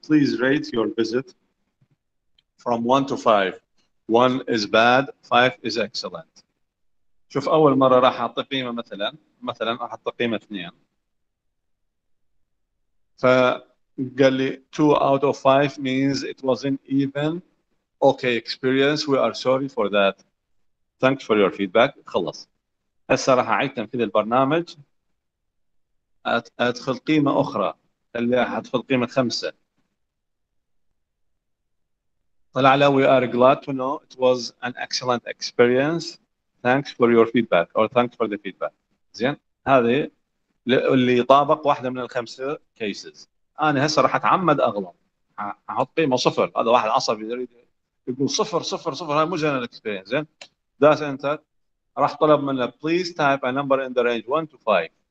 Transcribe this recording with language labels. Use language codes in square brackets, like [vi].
[en] Please rate your visit from 1 to 5، 1 is bad 5 is excellent. [ar] شوف اول مره راح احط قيمه مثلا راح احط قيمه 2، فقال لي [en] 2 out of 5 means it wasn't even okay experience. We are sorry for that. Thanks for your feedback. [ar] خلص. هسه راح اعيد تنفيذ البرنامج. ادخل قيمة أخرى. اللي ادخل قيمة 5. طلع له [en] we are glad to know it was an excellent experience. Thanks for your feedback or thanks for the feedback. [ar] زين؟ هذه اللي طابق واحده من الخمسه كيسز. انا هسه راح اتعمد اغلط، احط قيمه 0. هذا واحد عصبي يريد يقول 0 0 0، هاي مو زين الاكسبيرينس. زين، داس انتر، راح طلب منه [en] Please type a number in the range 1 to 5.